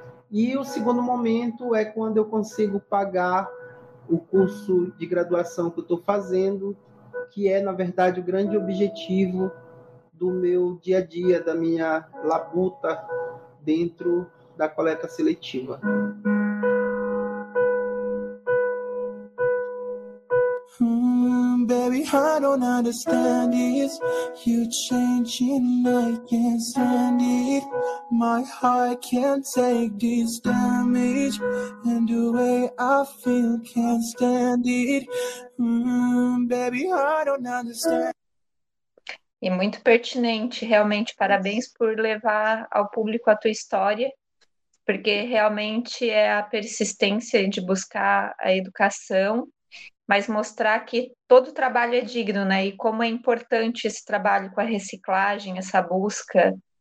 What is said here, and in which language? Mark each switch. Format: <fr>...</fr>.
<pt>E o segundo momento é quando eu consigo pagar o curso de graduação que eu estou fazendo, que é, na verdade, o grande objetivo do meu dia a dia, da minha labuta dentro da coleta seletiva.</pt> <en>Baby, I don't understand this. You changing, I can't stand it. My heart can't take this damage. And the way I feel can't stand it. Baby, I don't understand.</en> <pt>E muito pertinente, realmente. Parabéns por levar ao público a tua história, porque realmente é a persistência de buscar a educação, mas mostrar que todo trabalho é digno, né? E como é importante esse trabalho com a reciclagem, essa busca</pt>